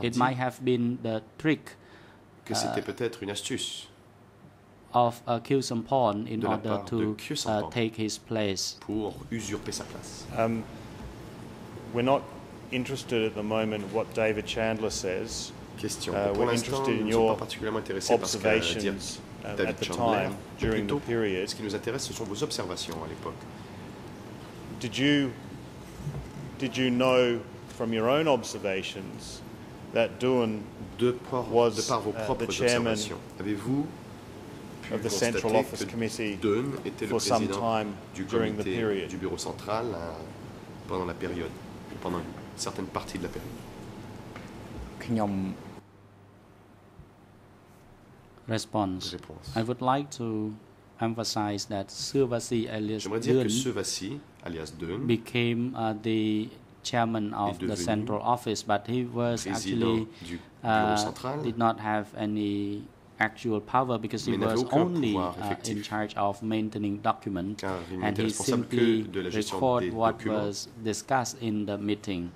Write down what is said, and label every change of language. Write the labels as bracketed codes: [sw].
[en] it might have been the trick [fr] que c'était peut-être une astuce [en] of Kieu Sampon in order to [fr] Sampon [en] take his place. [fr] Pour usurper sa place. [en] We're not interested at the moment what David Chandler says. [fr] Pour l'instant, nous ne sommes pas particulièrement intéressés par ce qu'a dit David Chandler. Mais plutôt, ce qui nous intéresse, ce sont vos observations à l'époque. [en] Did you know from your own observations that Duan [fr] de par vos propres observations, avez-vous pu constater que Dunn était le président du comité du bureau central pendant la période, pendant une certaine partie de la période? Réponse. [en] I would like to emphasize that Suvasi alias Dunn became the chairman of the central office, but he was actually did not have any actual power because he was only in charge of maintaining documents and he simply recorded what was discussed in the meeting.